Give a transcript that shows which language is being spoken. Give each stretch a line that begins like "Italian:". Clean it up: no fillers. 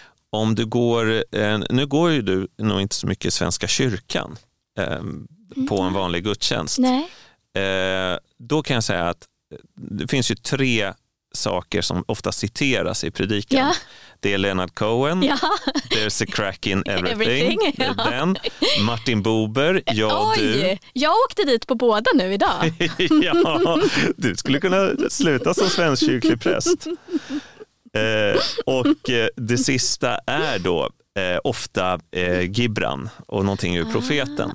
Swedish: Om du går, nu går ju du nog inte så mycket Svenska kyrkan på en vanlig gudstjänst. Nej. Då kan jag säga att det finns ju tre saker som ofta citeras i predikan. Ja. Det är Leonard Cohen, ja.
English: There's a crack in everything.
Swedish: Ja. Den. Martin Buber, jag och du. Jag åkte dit på båda nu idag. Ja, du skulle kunna sluta som svensk kyrklig präst. Och det sista är då ofta Gibran och någonting ur profeten.